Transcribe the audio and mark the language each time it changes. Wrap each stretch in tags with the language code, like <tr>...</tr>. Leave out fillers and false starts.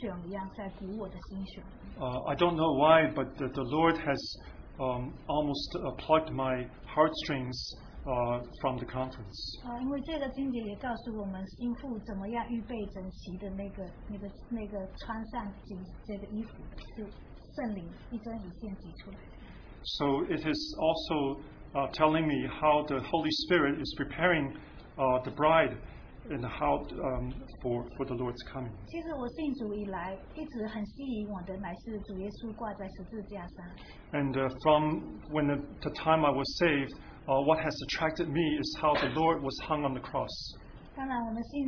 <zh>不知道为什么在那个饼杯掰饼聚会时候，主把这个经节一直在里面，好像琴弦一样在鼓我的心弦。</zh> <en>I don't know why, but the Lord has almost plucked my heartstrings from the conference.</en> <zh>因为这个经节也告诉我们，心腹怎么样预备整齐的那个穿上锦这个衣服，是圣灵一针一线挤出来的。</zh> <en>So it is also telling me how the Holy Spirit is preparing the bride and how for the Lord's coming.</en> <zh>其实我信主以来，一直很吸引我的乃是主耶稣挂在十字架上。</zh> <en>And from when the time I was saved, what has attracted me is how the Lord was hung on the cross.</en>